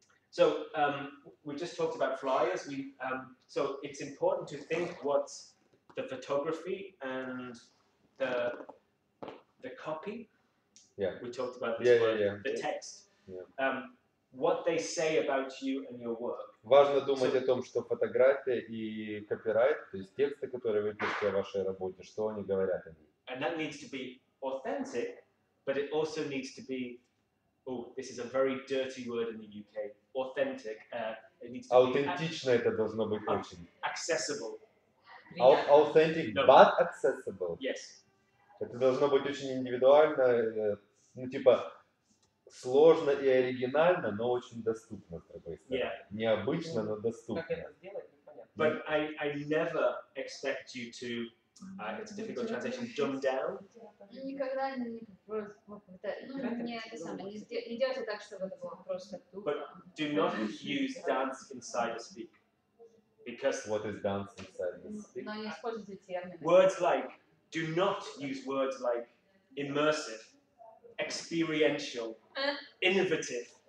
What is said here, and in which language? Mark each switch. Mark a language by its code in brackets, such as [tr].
[en] So, we just talked about flyers. So it's important to think what the photography and the copy, yeah, we talked about this the text, what they say about you and your work. [ru] Важно думать о том, что фотография и копирайт, то есть тексты, которые вы пишете о вашей работе, что они говорят о ней. [en] And that needs to be authentic, but it also needs to be, oh, this is a very dirty word in the UK, authentic. [ru] Аутентично это должно быть очень. [en] Accessible. Authentic, no. But accessible. Yes. [ru] Это должно быть очень индивидуально, ну типа... Сложно и оригинально, но очень доступно, с другой стороны. Yeah. Необычно, но доступно. Как это сделать, непонятно. [en] But I never expect you to, it's a difficult translation, dumb down. [ru] Я никогда не делайте так, чтобы это было просто тупо. [en] But do not use dance inside a speak. Because what is dance inside a speak? [ru] Но не используйте термины. [en] Words like, do not use words like immersive, experiential, innovative.